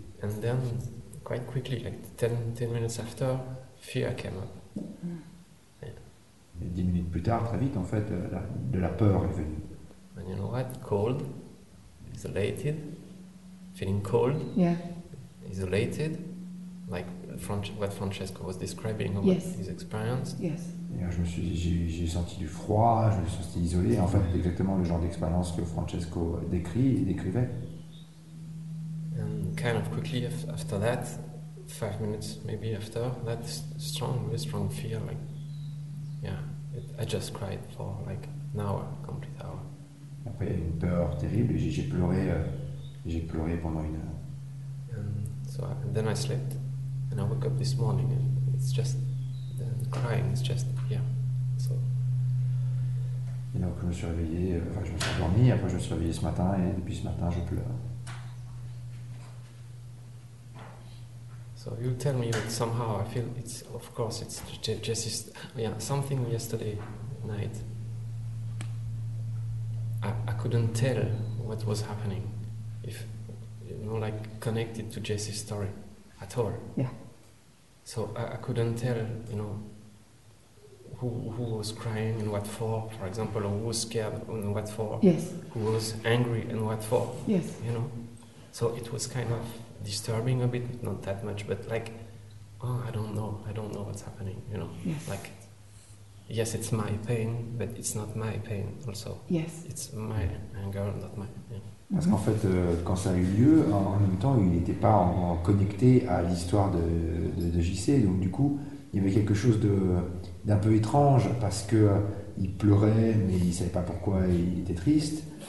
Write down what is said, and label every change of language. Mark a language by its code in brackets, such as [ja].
[en] And then, quite quickly, like 10 minutes after, fear came up. [fr] Et 10 minutes plus tard, très vite en fait, de la peur est venue. [en] And you know what? Cold, isolated, feeling cold, yeah. Isolated, like what Francesco was describing, or yes. What his experience. Yes. [fr] J'ai senti du froid, je me suis senti isolé, en fait, exactement le genre d'expérience que Francesco décrivait. [en] And kind of quickly after that, 5 minutes maybe after, that strong, really strong fear, like, yeah, I just cried for like an hour, complete hour. [fr] Après, une peur terrible, j'ai pleuré pendant une heure. [en] And so then I slept, and I woke up this morning, and it's just. Crying is just, yeah, so. [fr] Et donc je me suis endormi, après je me suis réveillé ce matin, et depuis ce matin je pleure. [en] So you tell me that somehow I feel it's, of course, it's just, yeah, something yesterday night. I couldn't tell what was happening, if, you know, like, connected to Jesse's story at all. Yeah. So I couldn't tell, you know, who was crying and what for example, or who was scared and what for. Yes. Who was angry and what for. Yes. You know? So it was kind of disturbing a bit, not that much, but like, oh, I don't know what's happening, you know? Yes. Like, yes, it's my pain, but it's not my pain also. Yes. It's my anger, not my pain. Yeah. [fr] Parce qu'en fait, quand ça a eu lieu, en même temps, il n'était pas connecté à l'histoire de JC. Donc du coup, il y avait quelque chose d'un peu étrange parce qu'il pleurait, mais il ne savait pas pourquoi il était triste.